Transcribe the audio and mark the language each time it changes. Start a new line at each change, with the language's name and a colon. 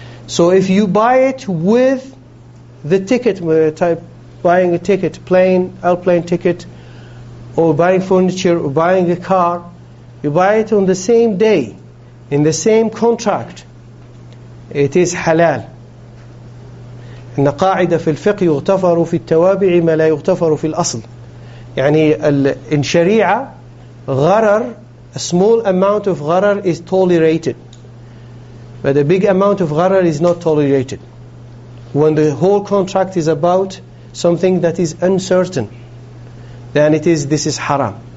English: So if you buy it with the ticket, type buying a ticket, plane, airplane ticket, or buying furniture, or buying a car, you buy it on the same day, in the same contract, it is halal.
Arabic: إن قاعدة في الفقه يغتفر في التوابع ما لا يغتفر في الأصل.
English: يعني in شريعة غرر, a small amount of غرر is tolerated, but a big amount of غرر is not tolerated. When the whole contract is about something that is uncertain, then it is, this is haram.